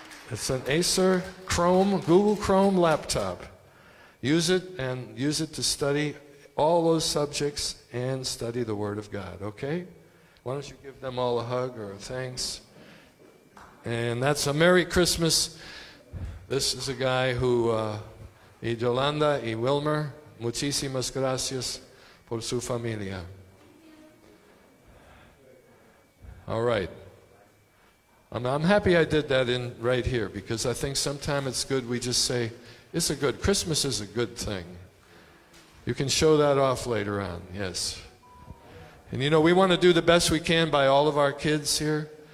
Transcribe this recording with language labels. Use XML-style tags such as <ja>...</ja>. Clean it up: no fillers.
<en>It's an Acer Chrome, Google Chrome laptop. Use it and use it to study all those subjects and study the Word of God, okay? Why don't you give them all a hug or a thanks? And that's a Merry Christmas. This is a guy who,</en> <es>y Yolanda y Wilmer, muchísimas gracias por su familia.</es> <en>All right. I'm happy I did that in right here, because I think sometimes it's good we just say, it's a good, Christmas is a good thing. You can show that off later on, yes. And you know, we want to do the best we can by all of our kids here.</en>